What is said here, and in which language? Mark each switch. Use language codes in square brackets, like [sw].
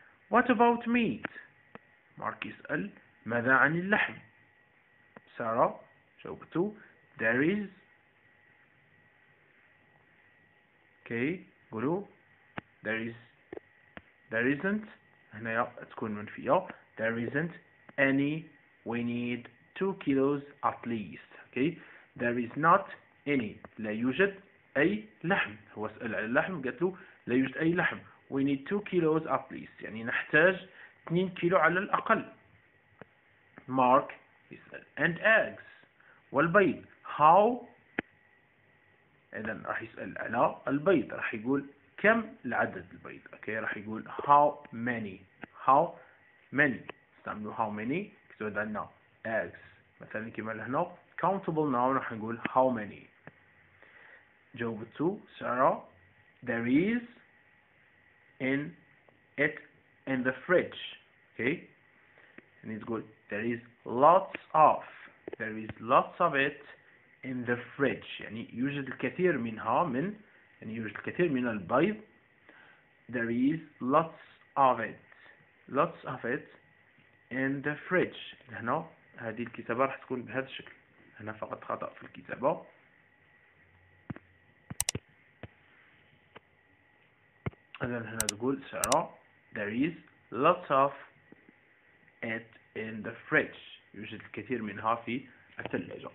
[en] What about meat؟ [ar] مارك يسأل ماذا عن اللحم؟ سارة جاوبته [en] there is. Okay، [ar] قولوا [en] there is، there isn't، [ar] هنا تكون منفية. [en] There isn't any، we need 2 kilos at least. Okay، there is not any، [ar] لا يوجد أي لحم. هو سأل على اللحم، قلت له لا يوجد أي لحم. [en] We need 2 kilos at least، [ar] يعني نحتاج 2 كيلو على الأقل. Mark يسأل [en] and eggs، [ar] والبيض. How، إذن راح يسأل على البيض، راح يقول كم العدد البيض. [en] Okay، [ar] راح يقول [en] how many، how many، استعملوا how many. [ar] كتبوا لنا eggs مثلا كما هنا countable noun، راح نقول [en] how many. [ar] جواب [en] 2 Sarah، there is in it in the fridge. Okay، and it's good. There is lots of، there is lots of it in the fridge، [ar] يعني يوجد الكثير منها، من يعني يوجد الكثير من البيض. [en] There is lots of it، lots of it in the fridge. [ar] هنا هذه الكتابة راح تكون بهذا الشكل، هنا فقط خطأ في الكتابة. إذن هنا تقول سارة [en] there is lots of it in the fridge، [ar] يوجد الكثير منها في الثلاجة.